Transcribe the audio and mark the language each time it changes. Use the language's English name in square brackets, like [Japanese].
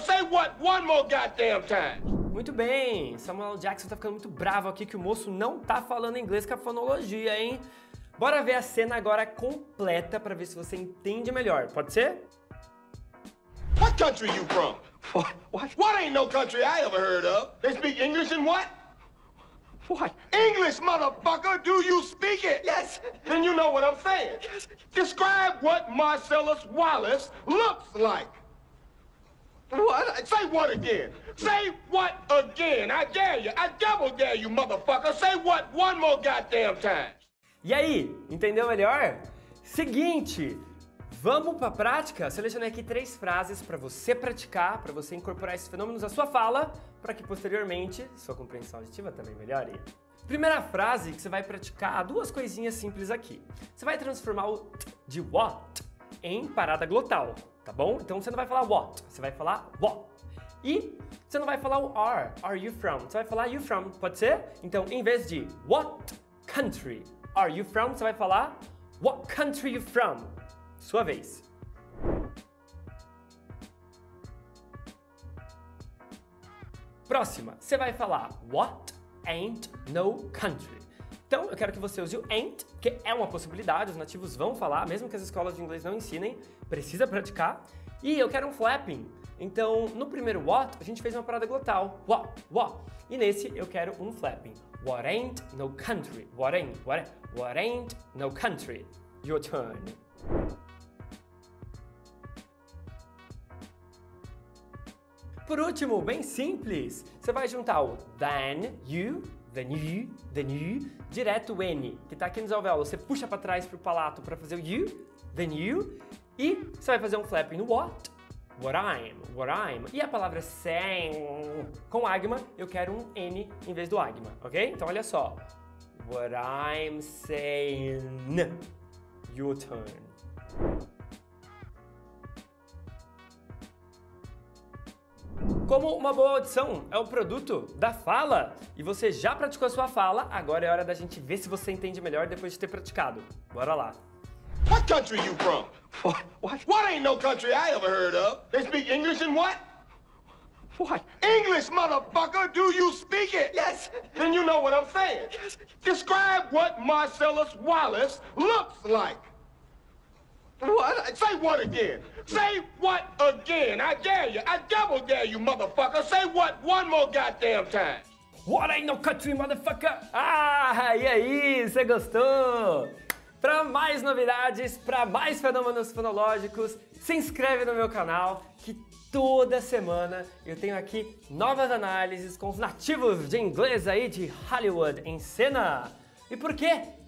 [English] Say what one more goddamn time. [Portuguese] Muito bem, Samuel Jackson tá ficando muito bravo aqui que o moço não tá falando inglês com a fonologia, hein? Bora ver a cena agora completa pra ver se você entende melhor, pode ser? [English] What country you from? What? What ain't no country I ever heard of? They speak English in what? What? English, motherfucker, do you speak it? Yes. Then you know what I'm saying. Yes. Describe what Marcellus Wallace looks like. What? Say what again? Say what again? I dare you. I double dare you, motherfucker. Say what one more goddamn time. [Portuguese] E aí, entendeu melhor? Seguinte, vamos pra prática? Selecionei aqui três frases pra você praticar, pra você incorporar esses fenômenos à sua fala, pra que posteriormente sua compreensão auditiva também melhore. Primeira frase que você vai praticar, duas coisinhas simples aqui. Você vai transformar o t de what em parada glotal, tá bom? Então você não vai falar what, você vai falar what. E você não vai falar o [English] are you from? [Portuguese] Você vai falar [English] you from, [Portuguese] pode ser? Então, em vez de [English] what country are you from, [Portuguese] você vai falar [English] what country you from? [Portuguese] Sua vez. Próxima, você vai falar [English] what ain't no country. [Portuguese] Então, eu quero que você use o ain't, que é uma possibilidade, os nativos vão falar, mesmo que as escolas de inglês não ensinem, precisa praticar. E eu quero um flapping. Então, no primeiro what, a gente fez uma parada glotal. What, what. E nesse, eu quero um flapping. [English] What ain't no country. What ain't, what ain't, what ain't no country. Your turn. [Portuguese] Por último, bem simples, você vai juntar o than you, than you, than you, direto o N, que tá aqui nos alvéolos. Você puxa pra trás pro palato pra fazer o you, than you, e você vai fazer um flapping no what, [English] what I'm, what I'm. [Portuguese] E a palavra sem, com agma, eu quero um N em vez do agma, ok? Então olha só. [English] What I'm saying. Your turn. [Portuguese] Como uma boa audição é o produto da fala, e você já praticou a sua fala, agora é hora da gente ver se você entende melhor depois de ter praticado. Bora lá. [English] What country you from? What? What? What ain't no country I ever heard of? They speak English in what? What? English, motherfucker! Do you speak it? Yes! Then you know what I'm saying. Yes. Describe what Marcellus Wallace looks like. What? Say what again? Say what again? I dare you. I double dare you, motherfucker. Say what one more goddamn time. What ain't no country, motherfucker? [Portuguese] Ah, e aí? Você gostou? Para mais novidades, para mais fenômenos fonológicos, se inscreve no meu canal, que toda semana eu tenho aqui novas análises com os nativos de inglês aí de Hollywood em cena. E por quê?